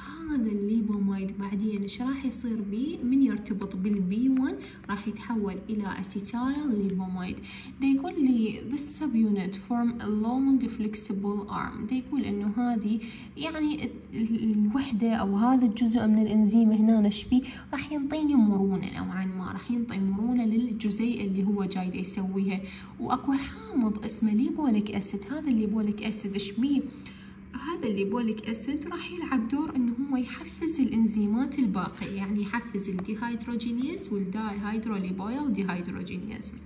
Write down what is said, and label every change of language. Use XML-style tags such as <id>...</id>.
<ar>هذا الليبومايد بعدين ايش راح يصير بي؟ من يرتبط بالB1 راح يتحول الى اسيتايل ليبومايد. دي يقول لي</ar> <en>this subunit form a long flexible arm.</en> <ar>دي يقول انه هذه يعني الوحده او هذا الجزء من الانزيم هنا ايش بي؟ راح ينطيني مرونه، نوعا ما راح ينطي مرونه للجزيئه اللي هو جاي دي يسويها. واكو حامض اسمه ليبوليك اسيد، هذا الليبوليك اسيد ايش بي؟ هذا الليبوليك أسيد راح يلعب دور إنه هو يحفز الإنزيمات الباقية، يعني يحفز الديهايدروجينيز والداي هيدروليبويل ديهايدروجينيز.</ar>